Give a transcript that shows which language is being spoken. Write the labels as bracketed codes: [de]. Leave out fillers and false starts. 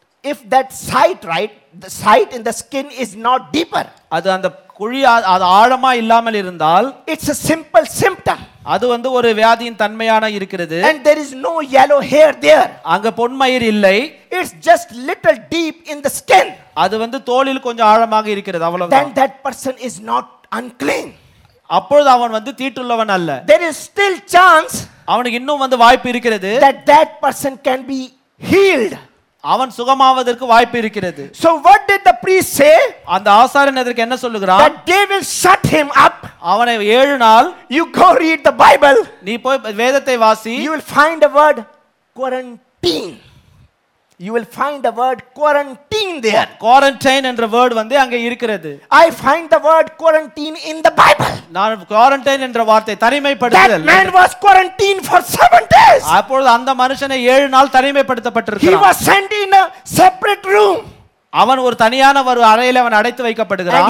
[en] if that sight in the skin is not deeper [ta] அது அந்த குழி அது ஆழமா இல்லாமல் இருந்தால் [en] it's a simple symptom [ta] அது வந்து ஒரு வியாதியின் தன்மையான இருக்கிறது [en] and there is no yellow hair there [ta] அங்க பொன்மயிர் இல்லை [en] it's just little deep in the skin [ta] அது வந்து தோலில் கொஞ்சம் ஆழமாக இருக்கிறது அவ்வளவுதான் [en] then that person is not unclean [ta] அப்பொழுது அவன் வந்து தீட்டுள்ளவன் அல்ல [en] there is still chance [ta] அவனுக்கு இன்னும் வந்து வாய்ப்பு இருக்கிறது [en] that person can be healed [ta] அவன் சுகமாவதற்கு வாய்ப்பு இருக்கிறது [en] so what did the priest say [ta] அந்த ஆசாரியன் அதற்கு என்ன சொல்கிறான் [en] that they will shut him up [ta] அவனை 7 நாள் [en] you go read the bible [ta] நீ போய் வேதத்தை வாசி [en] you will find a word quarantine you will find a word quarantine there [ta] quarantine என்ற வார்த்தை வந்து அங்க இருக்கிறது [en] i find the word quarantine in the bible [ta] நான் குவாரண்டைன் என்ற வார்த்தை தனிமைப்படுத்தல் [en] that man was quarantined for 7 days [ta] அப்பொழுது அந்த மனுஷனை 7 நாள் தனிமைப்படுத்தப்பட்டிருக்கிறான் [en] he was sent in a separate room [ta] அவன் ஒரு தனியான ஒரு அறையில் அவன் அடைத்து வைக்கப்படுகிறான்